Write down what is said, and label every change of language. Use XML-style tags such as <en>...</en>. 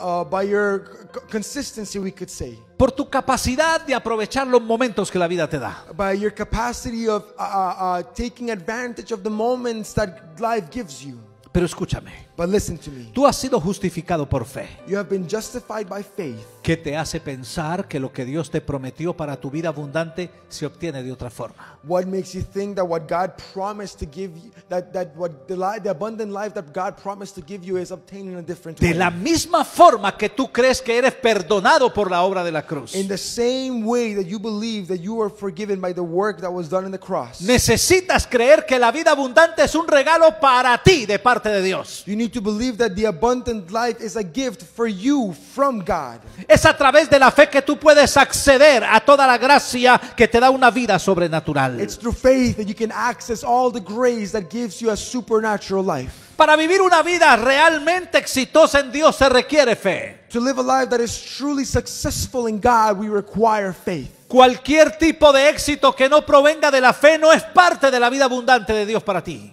<en>By your consistency, we could say.</en> <es>Por tu capacidad de aprovechar los momentos que la vida te da.</es> <en>By your capacity of taking advantage of the moments that life gives you.</en> <es>Pero escúchame.</es> <en>But listen to me.</en> <es>Tú has sido justificado por fe.</es> <en>You have been justified by faith.</en> <es>¿Qué te hace pensar que lo que Dios te prometió para tu vida abundante se obtiene de otra forma?</es> <en>What makes you think that what God promised to give you that the abundant life that God promised to give you is obtained in a different way?</en> <es>De la misma forma que tú crees que eres perdonado por la obra de la cruz.</es> <en>In the same way that you believe that you are forgiven by the work that was done in the cross.</en> <es>Necesitas creer que la vida abundante es un regalo para ti de parte de Dios.</es> <en>You need to believe that the abundant life is a gift for you from God.</en> <es>Es a través de la fe que tú puedes acceder a toda la gracia que te da una vida sobrenatural.</es> <en>It's through faith that you can access all the grace that gives you a supernatural life.</en> <es>Para vivir una vida realmente exitosa en Dios se requiere fe.</es> <en>To live a life that is truly successful in God, we require faith.</en> <es>Cualquier tipo de éxito que no provenga de la fe no es parte de la vida abundante de Dios para ti.</es>